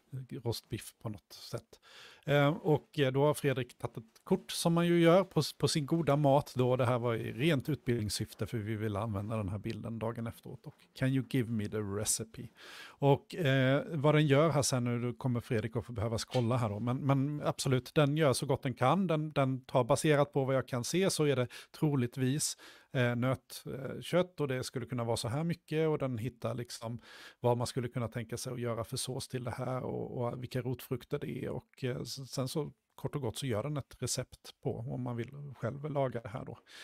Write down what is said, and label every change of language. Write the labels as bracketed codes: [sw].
[sv] Rostbiff på något sätt. Och då har Fredrik tagit ett kort som man ju gör på sin goda mat då. Det här var i rent utbildningssyfte, för vi ville använda den här bilden dagen efteråt. [en] Och can you give me the recipe? [sv] Och vad den gör här sen nu, då kommer Fredrik att behöva kolla här då. Men absolut, den gör så gott den kan. Den tar, baserat på vad jag kan se, så är det troligtvis nötkött, och det skulle kunna vara så här mycket, och den hittar liksom vad man skulle kunna tänka sig att göra för sås till det här, och vilka rotfrukter det är, och sen så kort och gott så gör den ett recept på om man vill själv laga det här då.